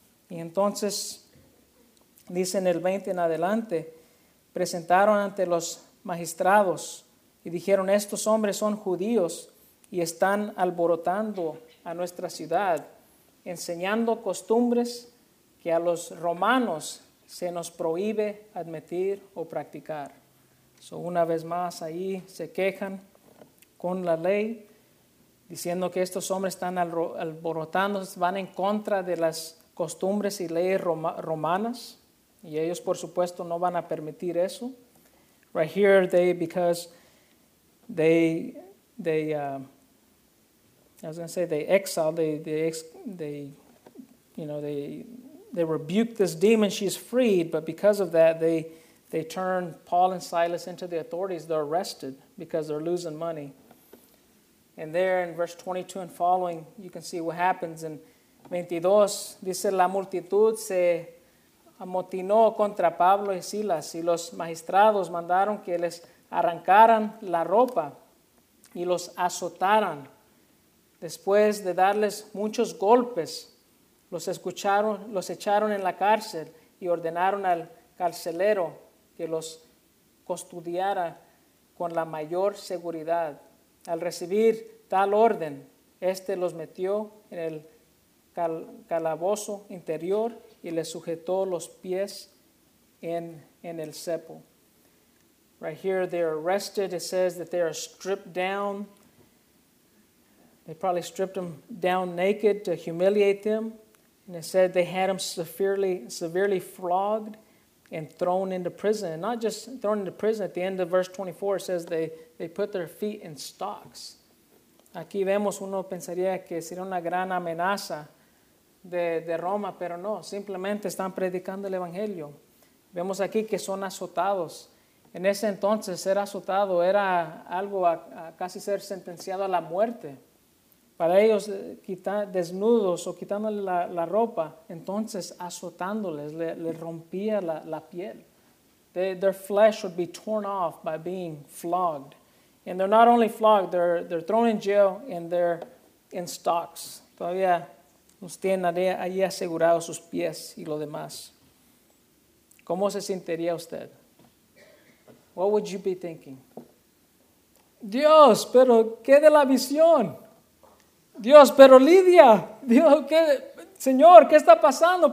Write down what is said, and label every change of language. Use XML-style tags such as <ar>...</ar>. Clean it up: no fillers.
<es>Y entonces, dice en el 20 en adelante, presentaron ante los magistrados y dijeron: estos hombres son judíos y están alborotando a nuestra ciudad, enseñando costumbres que a los romanos se nos prohíbe admitir o practicar. So, una vez más ahí se quejan con la ley, diciendo que estos hombres están alborotando, van en contra de las costumbres y leyes romanas, y ellos por supuesto no van a permitir eso.</es> <en>Right here they, because they rebuked this demon, she's freed, but because of that they turn Paul and Silas into the authorities. They're arrested because they're losing money. And there in verse 22 and following, you can see what happens. In 22,</en> <es>dice, la multitud se amotinó contra Pablo y Silas, y los magistrados mandaron que les arrancaran la ropa y los azotaran. Después de darles muchos golpes, los echaron en la cárcel y ordenaron al carcelero que los custodiara con la mayor seguridad. Al recibir tal orden, este los metió en el calabozo interior y les sujetó los pies en el cepo.</es> <en>Right here they're arrested. It says that they are stripped down. They probably stripped them down naked to humiliate them. And it said they had them severely flogged and thrown into prison. And not just thrown into prison. At the end of verse 24, it says they put their feet in stocks.</en> <es>Aquí vemos, uno pensaría que sería una gran amenaza de Roma, pero no. Simplemente están predicando el evangelio. Vemos aquí que son azotados. En ese entonces, ser azotado era algo a casi ser sentenciado a la muerte. Para ellos, desnudos o quitándole la ropa, entonces azotándoles, le rompía la piel.</es> <en>Their flesh would be torn off by being flogged. And they're not only flogged, they're thrown in jail and they're in stocks.</en> <es>Todavía los tienen ahí asegurados sus pies y lo demás. ¿Cómo se sentiría usted?</es> <en>What would you be thinking?</en> <es>Dios, pero ¿qué de la visión? Dios, pero Lidia, Dios, ¿qué, Señor, ¿qué está pasando?</es>